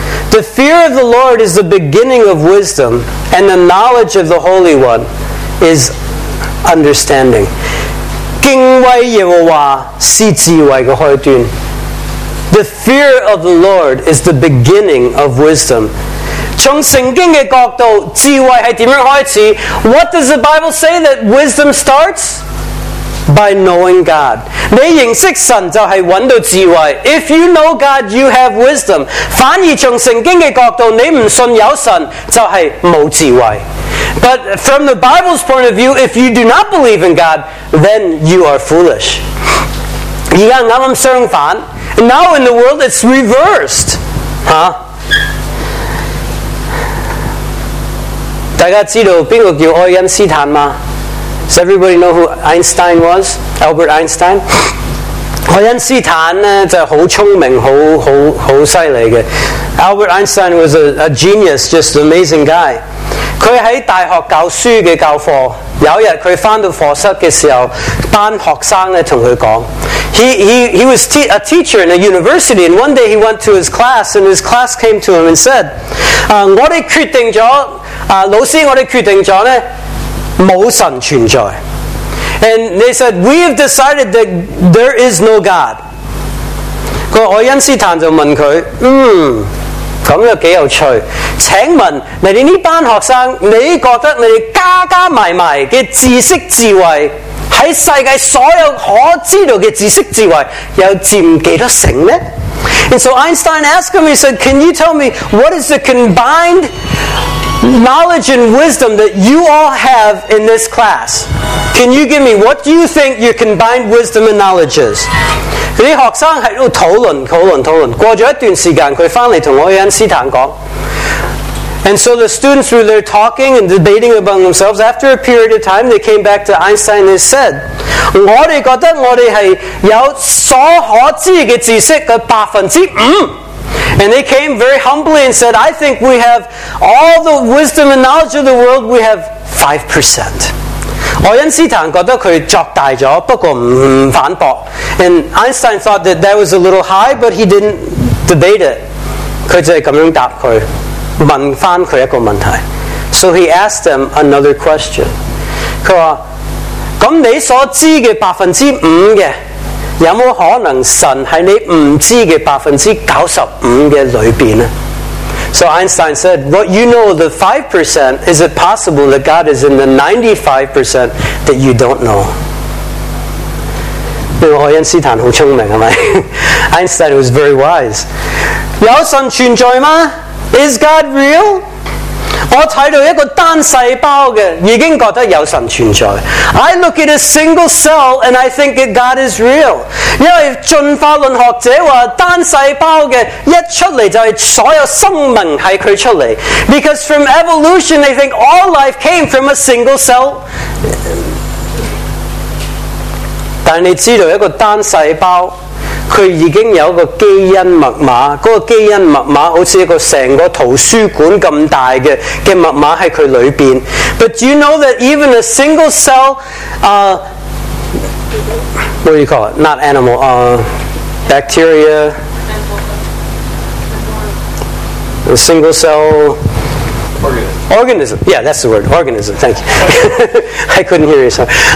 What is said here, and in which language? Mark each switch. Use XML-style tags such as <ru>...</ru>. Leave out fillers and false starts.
<en>The fear of the Lord is the beginning of wisdom, and the knowledge of the Holy One is understanding.</en> <zh>敬畏耶和华是智慧的开端。</zh> <en>The fear of the Lord is the beginning of wisdom.</en> <zh>从圣经的角度，智慧是怎样开始？</zh> <en>What does the Bible say that wisdom starts? By knowing God.</en> <zh>你认识神就是找到智慧。</zh> <en>If you know God, you have wisdom.</en> <zh>反而从圣经的角度，你不信有神就是没智慧。</zh> <en>But from the Bible's point of view, if you do not believe in God, then you are foolish.</en> <zh>现在刚刚相反。</zh> <en>Now in the world, it's reversed. Huh?</en> <zh>大家知道谁叫爱因斯坦吗？</zh> <en>Does everybody know who Einstein was? Albert Einstein?</en> <zh>爱因斯坦呢，就是很聪明，很犀利的。</zh> <en>Albert Einstein was a genius, just an amazing guy.</en> <zh>他在大学教书的教课，有一天他回到课室的时候，班学生呢跟他说。</zh> <en>He was a teacher in a university, and one day he went to his class, and his class came to him and said,</en> <zh>我们决定了，老师，我们决定了呢，没神存在。</zh> <en>And they said, we have decided that there is no God.</en> <zh>爱因斯坦就问他，这样挺有趣，请问你们这班学生，你觉得你们加加埋埋的知识智慧，在世界所有可知道的知识智慧，又占多少成呢？</zh> <en>And so Einstein asked him, he said, can you tell me what is the combined knowledge and wisdom that you all have in this class? Can you give me, what do you think your combined wisdom and knowledge is?</en> <zh>那些學生在討論。過了一段時間，他回來跟愛因斯坦說。</zh> <en>And so the students were there talking and debating among themselves. After a period of time, they came back to Einstein and said,</en> <zh>我們覺得我們是有所可知的知識的5%。</zh> <en>And they came very humbly and said, I think we have all the wisdom and knowledge of the world, we have 5%.</en> <zh>愛因斯坦覺得他作大了，不過不反駁。</zh> <en>And Einstein thought that that was a little high, but he didn't debate it.</en> <zh>他就是這樣答他，問回他一個問題。</zh> <en>So he asked them another question.</en> <zh>他說，那你所知的5%的，有没有可能神在你不知的95%的里面呢？</zh> <en>So Einstein said, what you know, the 5%, is it possible that God is in the 95% that you don't know?</en> <zh>那个爱因斯坦很聪明，是吧？</zh> <en>Einstein was very wise.</en> <zh>有神存在吗？</zh> <en>Is God real?</en> <zh>我看到一个单细胞的已经觉得有神存在。</zh> <en>I look at a single cell and I think that God is real.</en> <zh>因为进化论学者说单细胞的一出来就是所有生命是它出来。</zh> <en>Because from evolution they think all life came from a single cell.</en> <zh>但你知道一个单细胞它已经有一个基因密码，那个基因密码好像一个整个图书馆那么大 的密码在它里面。</zh> <en>But do you know that even a single cell what do you call it? Not animal, bacteria, a single cell organism. Yeah, that's the word, organism, thank you. I couldn't hear you, sorry.</en>